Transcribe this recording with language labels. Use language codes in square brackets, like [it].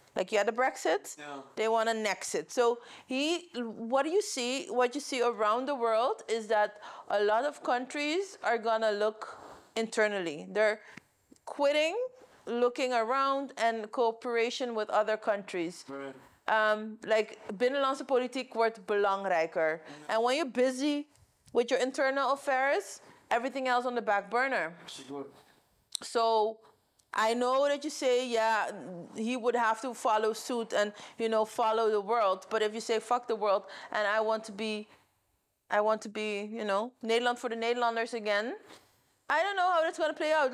[en] Like, you had a Brexit, They want an exit. So what you see around the world is that a lot of countries are going to look internally. They're quitting, looking around, and cooperation with other countries. Right. [nl] Like, binnenlandse politiek wordt belangrijker. [en] Yeah. And when you're busy with your internal affairs, everything else on the back burner. So I know that you say, yeah, he would have to follow suit and, you know, follow the world. But if you say, fuck the world, and I want to be, you know, Nederland for the Nederlanders again, I don't know how that's going to play out.